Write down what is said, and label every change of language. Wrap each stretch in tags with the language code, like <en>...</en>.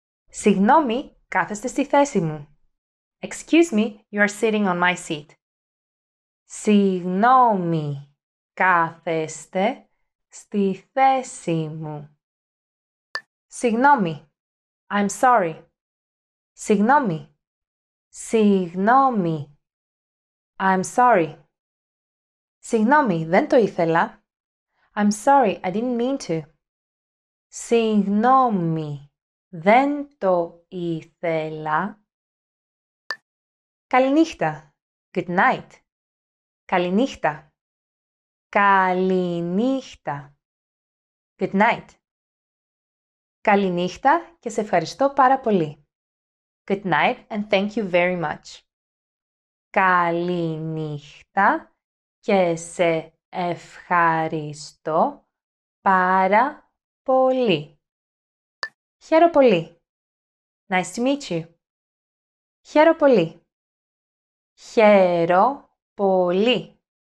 <el>Συγγνώμη, κάθεστε στη θέση μου.</el> <en>Excuse me, you are sitting on my seat.</en> <el>Συγγνώμη, κάθεστε στη θέση μου. Συγγνώμη.</el> <en>I'm sorry.</en> <el>Συγγνώμη. Συγγνώμη.</el> <en>I'm sorry.</en> <el>Συγγνώμη, δεν το ήθελα.</el> <en>I'm sorry, I didn't mean to.</en> <el>Συγγνώμη, δεν το ήθελα. Καληνύχτα.</el> <en>Good night.</en> <el>Καληνύχτα. Καληνύχτα.</el> <en>Good night.</en> <el>Καληνύχτα και σε ευχαριστώ πάρα πολύ.</el> <en>Good night and thank you very much.</en> <el>Καληνύχτα και σε ευχαριστώ πάρα πολύ. Χαίρο πολύ.</el> <en>Nice to meet you.</en> <el>Χαίρο πολύ. Χαίρο πολύ.</el>